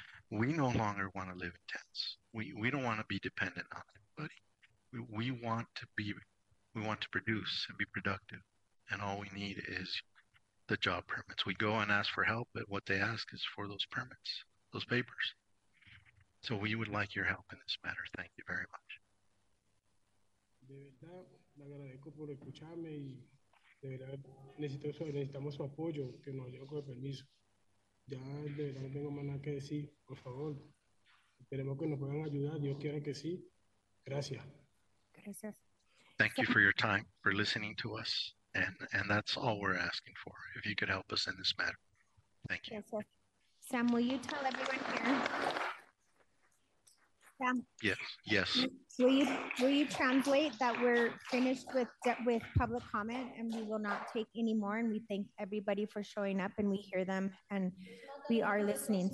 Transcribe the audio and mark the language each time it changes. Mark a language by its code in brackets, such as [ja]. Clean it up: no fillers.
[en] We no longer want to live in tents. We don't want to be dependent on anybody. We want to produce and be productive. And all we need is the job permits. We go and ask for help, but what they ask is for those permits, those papers. So we would like your help in this matter. Thank you very much. [es] De verdad, le agradezco por escucharme y de verdad necesitamos su apoyo, que nos ayude con el permiso. Ya de verdad no tengo más nada que decir, por favor. Esperemos que nos puedan ayudar, Dios quiera que sí. Gracias. Gracias. [en] Thank you for your time, for listening to us. And that's all we're asking for. If you could help us in this matter. Thank you. Yes, Sam, will you tell everyone here? Sam. Yes. Will you translate that we're finished with public comment and we will not take any more, and we thank everybody for showing up and we hear them and we are listening.